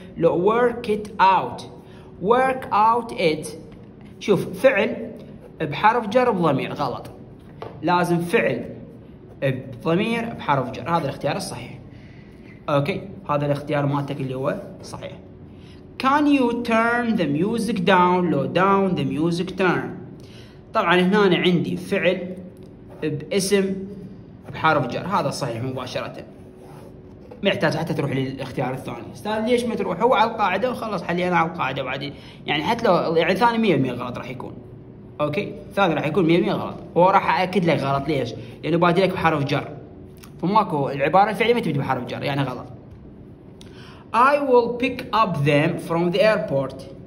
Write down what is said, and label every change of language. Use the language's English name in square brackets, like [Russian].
[Arabic] لو [English] work it out work out it [Arabic] شوف فعل بحرف جر بضمير غلط. لازم فعل بضمير بحرف جر هذا الاختيار الصحيح. اوكي هذا الاختيار مالتك اللي هو صحيح. [English] can you turn the music down low down the music turn. [Arabic] طبعا هنا أنا عندي فعل باسم بحرف جر هذا صحيح مباشره محتاج حتى تروح للاختيار الثاني. استاذ ليش ما تروح هو على القاعده وخلص حلينا على القاعده بعدين يعني حتى لو يعني ثاني 100% غلط راح يكون. اوكي ثاني راح يكون 100% غلط هو راح اكد لك غلط. ليش؟ لانه بادي لك بحرف جر فماكو العباره الفعليه ما تبدي بحرف جر يعني غلط. [English] I will pick up them from the airport.